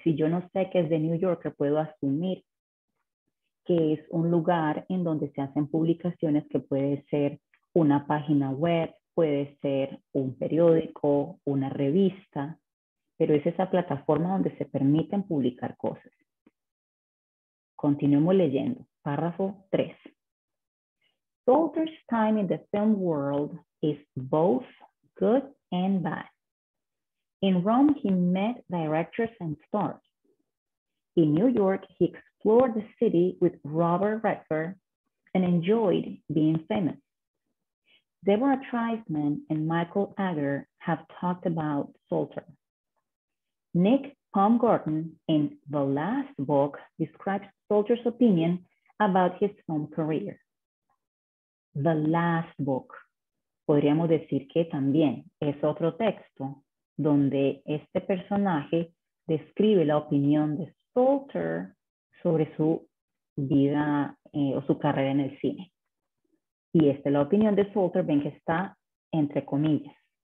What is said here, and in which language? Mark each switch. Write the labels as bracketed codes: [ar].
[es] Si yo no sé qué es The New Yorker, puedo asumir que es un lugar en donde se hacen publicaciones que puede ser una página web, puede ser un periódico, una revista, pero es esa plataforma donde se permiten publicar cosas. Continuemos leyendo. Párrafo 3. [en] Salter's time in the film world is both good and bad. In Rome, he met directors and stars. In New York, he explored the city with Robert Redford and enjoyed being famous. Deborah Triesman and Michael Agar have talked about Salter. Nick Baumgarten, in the last book, describes Salter's opinion about his film career. The last book. [es] Podríamos decir que también es otro texto donde este personaje describe la opinión de Salter sobre su vida o su carrera en el cine. Y esta es la opinión de Salter, ven que está entre comillas.